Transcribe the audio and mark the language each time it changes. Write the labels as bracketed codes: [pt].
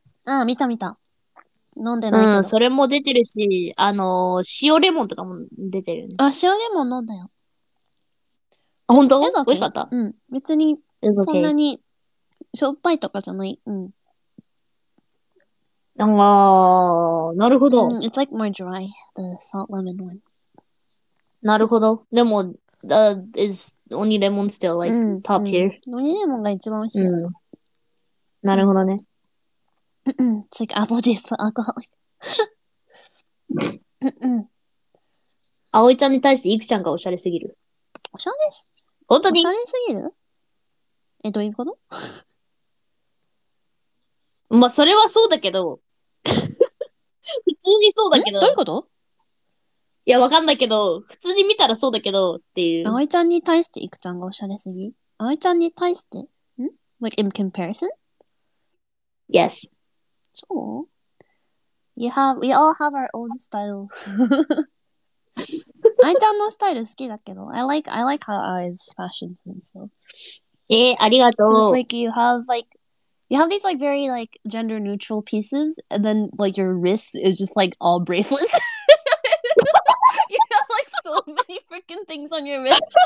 [ja] うん、見た見た。飲んでないけど。うん、それも出てるし、塩レモンとかも出てる、ね。あ、塩レモン飲んだよ。あ、ほんと？美味しかった。うん、別に、そんなに、しょっぱいとかじゃない。うん。あー、なるほど。 [en] うん、it's like more dry, the salt lemon one. [ja] なるほど。でも、 [en] is only lemon still like top tier? Only lemon [ja] が一番美味しい。なるほどね。 [en] It's like apple juice but alcohol. [ja] あおいちゃんに対していくちゃんがおしゃれすぎる。おしゃれです。本当に。おしゃれすぎる？え、どういうこと？まあそれはそうだけど、普通にそうだけど。どういうこと？いや、わかんないけど、普通に見たらそうだけど、っていう。葵ちゃんに対していくちゃんがおしゃれすぎ？葵ちゃんに対して？ん？ [en] Like, in comparison? Yes. [ja] そう？ [en] We all have our own style. [ja] 葵ちゃんのスタイル好きだけど。 [en] I like how eyes fashions and so. [ja] ありがとう。 [en] It's like you have, like,You have these like very like gender neutral pieces, and then like your wrists is just like all bracelets. You have like so many freaking things on your wrist.